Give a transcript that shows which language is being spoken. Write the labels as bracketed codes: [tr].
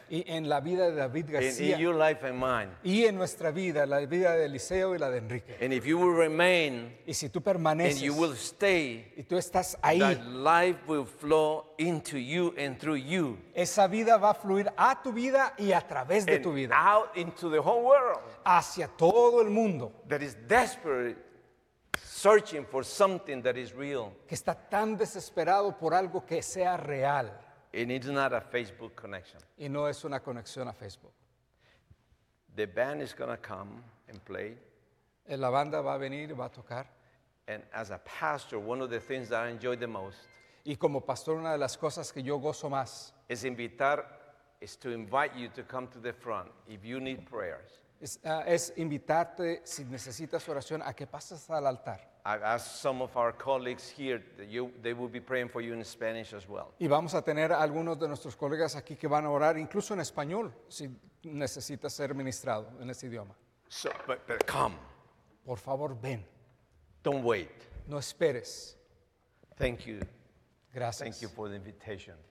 [es] Y en la vida de David García. [en] In your life and mine. [es] Y en nuestra vida, la vida de Eliseo y la de Enrique. [en] And if you will remain. [es] Y si tú permaneces. [en] And you will stay. [es] Y tú estás ahí. [en] That life will flow into you and through you. [es] Esa vida va a fluir a tu vida y a través de tu vida. [en] And out into the whole world. [es] Hacia todo el mundo. [en] That is desperate. Searching for something that is real. [es] Que está tan desesperado por algo que sea real. [en] And it's not a Facebook connection. [es] Y no es una conexión a Facebook. [en] The band is going to come and play. [es] La banda va a venir y va a tocar. [en] And as a pastor, one of the things that I enjoy the most. [es] Y como pastor, una de las cosas que yo gozo más. [en] Is to invite you to come to the front if you need prayers. [es] Es invitarte, si necesitas oración, a que pases al altar. [en] I've asked some of our colleagues here, they will be praying for you in Spanish as well. [es] Y vamos a tener algunos de nuestros colegas aquí que van a orar, incluso en español, si necesitas ser ministrado en ese idioma. [en] So, but come. [es] Por favor, ven. [en] Don't wait. [es] No esperes. [en] Thank you. [es] Gracias. [en] Thank you for the invitation.